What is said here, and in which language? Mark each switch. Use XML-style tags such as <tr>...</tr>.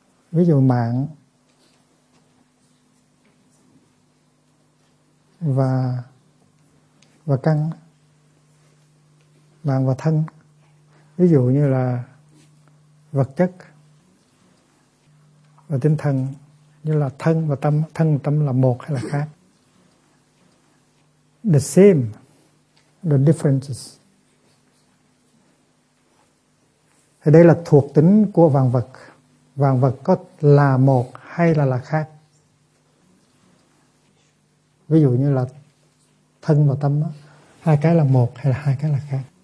<vi>Ví dụ mạng và căn, mạng và thân, ví dụ như là vật chất và tinh thần, như là thân và tâm, thân và tâm là một hay là khác.</vi> <en>The same, the differences.</en> <vi>Thì đây là thuộc tính của vạn vật. Vạn vật có là một hay là khác. Ví dụ như là thân và tâm, hai cái là một hay là hai cái là khác.</vi>